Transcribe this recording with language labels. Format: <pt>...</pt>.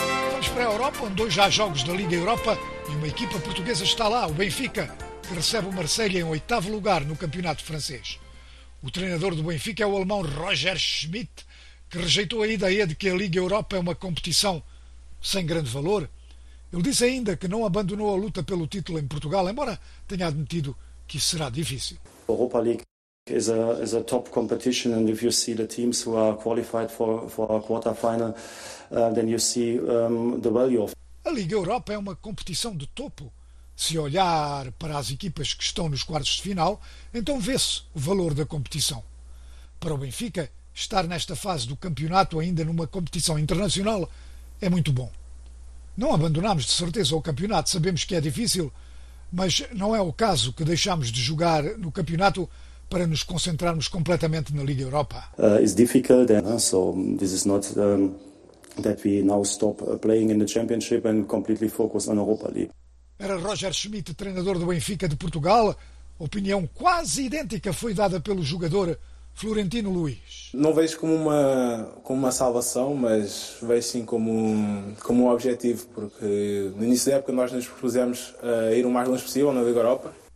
<pt>Vamos para a Europa, onde hoje há jogos da Liga Europa e uma equipa portuguesa está lá, o Benfica, que recebe o Marseille em 8º lugar no campeonato francês. O treinador do Benfica é o alemão Roger Schmidt, que rejeitou a ideia de que a Liga Europa é uma competição sem grande valor. Ele disse ainda que não abandonou a luta pelo título em Portugal, embora tenha admitido que isso será difícil.</pt> <en>A Europa League is a top competition, and if you see the teams who are qualified for a quarter final, then you see the value of.</en> <pt>A Liga Europa é uma competição de topo. Se olhar para as equipas que estão nos quartos de final, então vê-se o valor da competição. Para o Benfica, estar nesta fase do campeonato ainda numa competição internacional é muito bom. Não abandonámos de certeza o campeonato, sabemos que é difícil, mas não é o caso que deixámos de jogar no campeonato para nos concentrarmos completamente na Liga Europa.</pt> <en>It's difficult, so this is not that we now stop playing in the Championship and completely focus on Europa League.</en> <pt>Era Roger Schmidt, treinador do Benfica de Portugal. Opinião quase idêntica foi dada pelo jogador Florentino Luiz. Não vejo como uma salvação, mas vejo sim como um objetivo, porque no início da época nós nos propusemos a ir o mais longe possível na Liga Europa.</pt>